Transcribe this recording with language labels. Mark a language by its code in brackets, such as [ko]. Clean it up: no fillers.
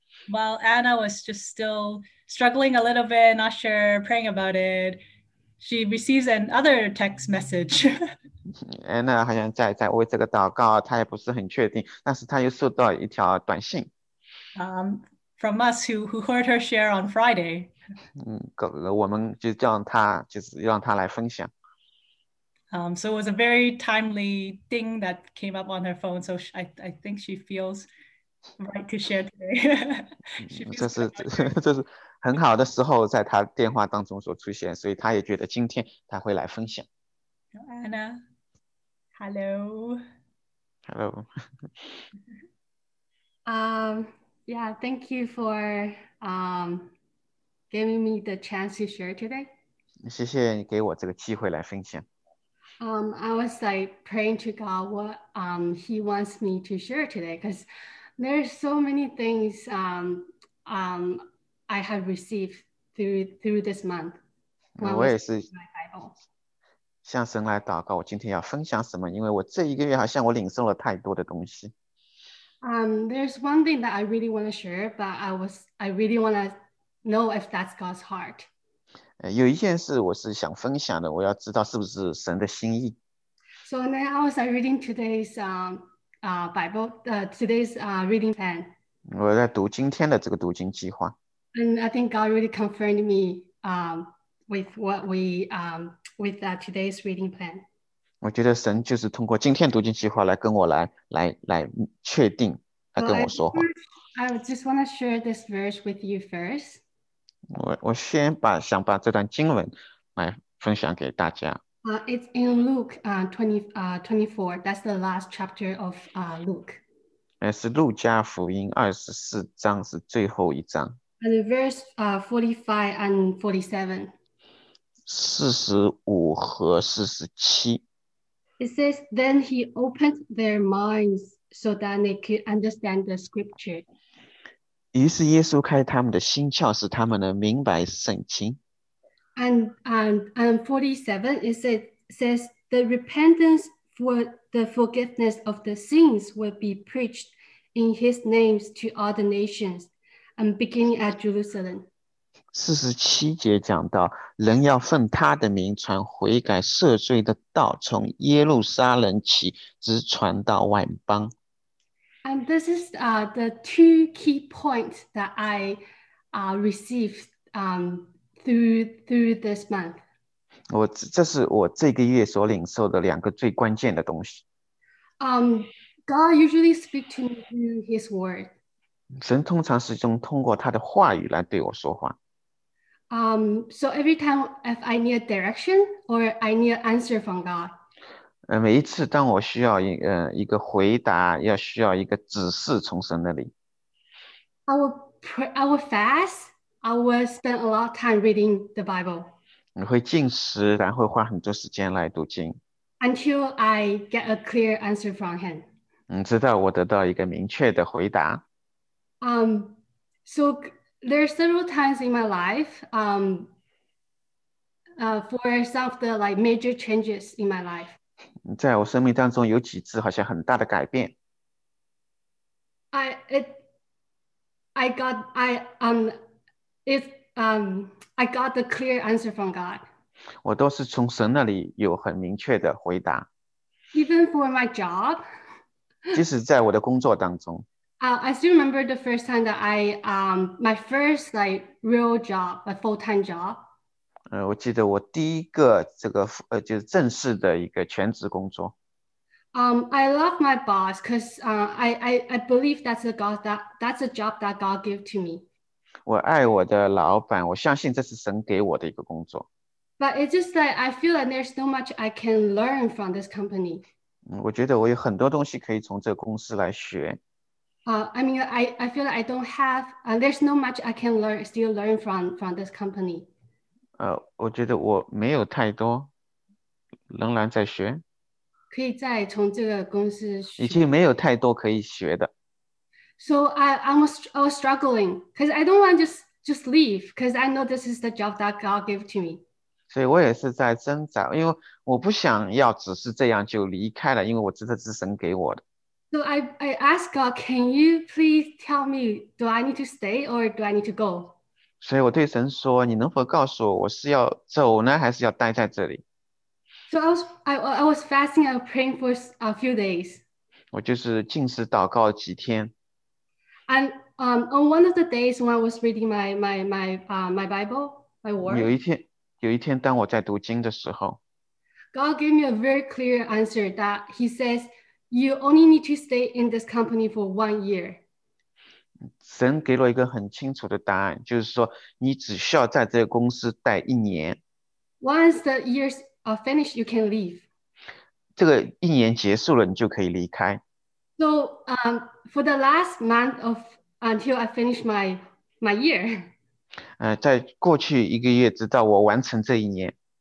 [en] While Anna was just still struggling a little bit, not sure, praying about it, she receives another text message. [zh] Anna 好像在为这个祷告，她也不是很确定，但是她又收到一条短信。 [en] From us who heard her share on Friday. [zh] 我们就叫她，就是让她来分享。 [en] So it was a very timely thing that came up on her phone. So I think she feels right to share today. [zh] 这是很好的时候在她电话当中所出现，所以她也觉得今天她会来分享。 [en] Anna, hello. Hello. Yeah, thank you for giving me the chance to share today. [zh] 谢谢你给我这个机会来分享。 [en] I was like praying to God what he wants me to share today, because there's so many things I have received through this month. [zh] 我也是向神来祷告，我今天要分享什么，因为我这一个月好像我领受了太多的东西。 [en] There's one thing that I really want to share, but I really want to know if that's God's heart. [zh] 有一件事我是想分享的，我要知道是不是神的心意。 [en] So then I was reading today's Bible, today's reading plan. [zh] 我在读今天的这个读经计划。 [en] And I think God really confirmed me with what we with today's reading plan. [zh] 我觉得神就是通过今天读经计划来跟我来确定，来跟我说话。 [en] I just want to share this verse with you first. [zh] 我先把想把这段经文来分享给大家。 [en] It's in Luke 24. That's the last chapter of Luke. [zh] 是路加福音二十四章是最后一章。 [en] And verse 45 and 47. [zh] 四十五和四十七。 [en] It says, then he opened their minds so that they could understand the scripture. [zh] 于是耶稣开他们的心窍，使他们能明白圣经。 [en] And 47, it says, the repentance for the forgiveness of the sins will be preached in his name to all the nations, and beginning at Jerusalem. [zh] 四十七节讲到，人要奉他的名传悔改赦罪的道，从耶路撒冷起，直传到万邦。 [en] And this is the two key points that I received through this month. [zh] 这是我这个月所领受的两个最关键的东西。 [en] God usually speaks to me through His word. [zh] 神通常是通过他的话语来对我说话。 [en] So every time if I need direction or I need answer from God. [zh] 每一次当我需要一个回答，要需要一个指示从神那里。 [en] I will fast. I will spend a lot of time reading the Bible. [zh] 你会进食，然后花很多时间来读经。 [en] Until I get a clear answer from Him. [zh] 直到我得到一个明确的回答。 [en] So there are several times in my life. For some of the like major changes in my life. [zh] 在我生命当中有几次好像很大的改变。 [en] I got the clear answer from God. [zh] 我都是从神那里有很明确的回答。 [en] Even for my job. [zh] 即使在我的工作当中。 [en] I still remember the first time that I, my first like real job, a full-time job. [zh] 我记得我第一个这个就是正式的一个全职工作。 [en] I love my boss because I believe that's a job that God gave to me. [zh] 我爱我的老板，我相信这是神给我的一个工作。 [en] But it's just that I feel that there's so much I can learn from this company. [zh] 我觉得我有很多东西可以从这个公司来学。 [en] I feel like I don't have, there's no much I can learn, still learn from this company. [zh] 我觉得我没有太多，仍然在学。可以再从这个公司学。已经没有太多可以学的。 [en] So I was struggling, because I don't want to just leave, because I know this is the job that God gave to me. [zh] 所以我也是在挣扎，因为我不想要只是这样就离开了，因为我知道是神给我的。 [en] So I asked God, can you please tell me, do I need to stay or do I need to go? [zh] 所以我对神说，你能否告诉我，我是要走呢，还是要待在这里？ [en] So I was fasting and praying for a few days. [zh] 我就是禁食祷告几天。 [en] And on one of the days when I was reading my Bible, my word. [zh] 有一天当我在读经的时候。 [en] God gave me a very clear answer that he says,You only need to stay in this company for 1 year. [zh] 神给了一个很清楚的答案，就是说你只需要在这个公司待一年。 [en] Once the years are finished, you can leave. [zh] 这个一年结束了，你就可以离开。 [en] So, for the last month of until I finish my year. [zh] 在过去一个月，直到我完成这一年。